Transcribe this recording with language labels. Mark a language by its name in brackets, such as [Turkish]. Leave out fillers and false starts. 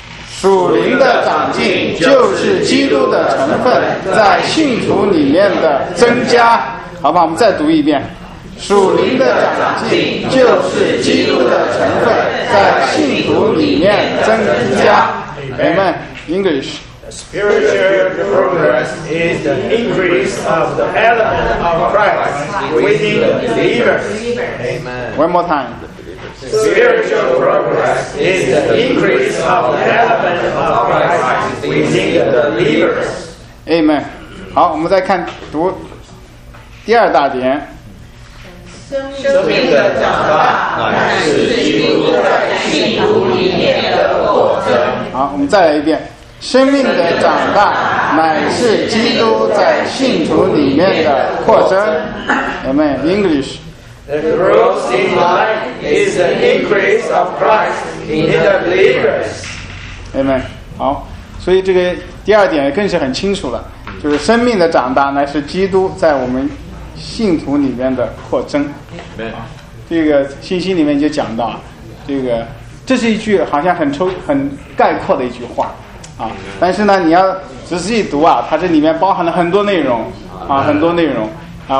[Chinese] 属灵的长进就是基督的成分在信徒里面的增加，好不好？我们再读一遍。属灵的长进就是基督的成分在信徒里面增加。 [English] Amen. English. Spiritual progress is the increase of the element of Christ within the believers. One more time. Spiritual progress is the increase of the element of Christ within the believers. Amen. [Chinese] 好，我们再看读第二大点。生命的长大乃是基督在信徒里面的扩增。好，我们再来一遍。生命的长大乃是基督在信徒里面的扩增。 [English] Amen. English. The growth in life is the increase of Christ in the believers. Amen. [Chinese] 好，所以这个第二点更是很清楚了，就是生命的长大乃是基督在我们信徒里面的扩增。这个信息里面就讲到，这个这是一句好像很概括的一句话啊，但是呢你要仔细读啊，它这里面包含了很多内容啊，很多内容啊。